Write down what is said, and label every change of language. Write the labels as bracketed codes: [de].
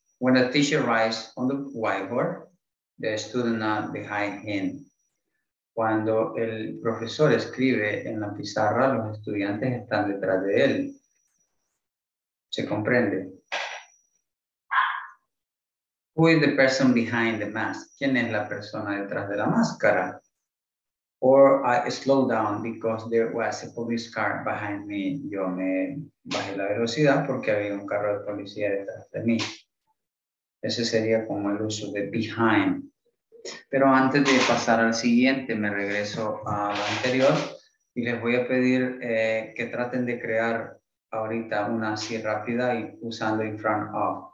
[en] When a teacher writes on the whiteboard, the student are behind him. [es] Cuando el profesor escribe en la pizarra, los estudiantes están detrás de él. ¿Se comprende? [en] Who is the person behind the mask? [es] ¿Quién es la persona detrás de la máscara? [en] Or I slowed down because there was a police car behind me. [es] Yo me bajé la velocidad porque había un carro de policía detrás de mí. Ese sería como el uso de behind. Pero antes de pasar al siguiente, me regreso a lo anterior y les voy a pedir que traten de crear ahorita una así rápida y usando in front of.